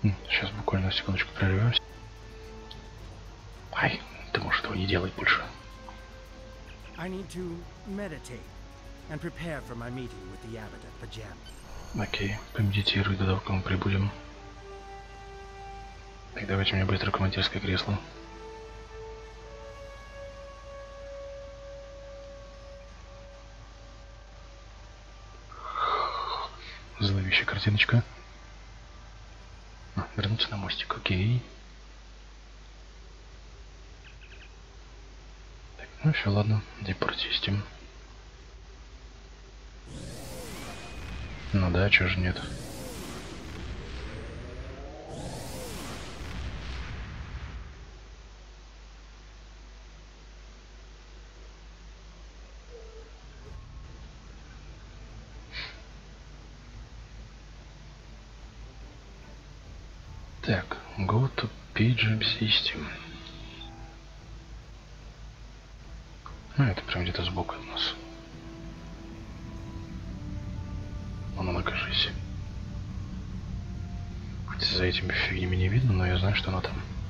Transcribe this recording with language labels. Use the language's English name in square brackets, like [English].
[Russian] Сейчас буквально секундочку прервемся. Ай, ты можешь этого не делать больше. [English] I need to meditate and prepare for my meeting with the abbot at the gem. [Russian] Окей, помедитируй до того, как мы прибудем. Так, давайте мне быстро командирское кресло. Зловещая картиночка. Вернуться на мостик, окей. Так, ну все, ладно, депортистим. Ну да, чё же нет. Так, [English] go to PGM system. [Russian] Ну, это прям где-то сбоку от нас. Вон она, кажись. Хоть за этими фигнями не видно, но я знаю, что она там.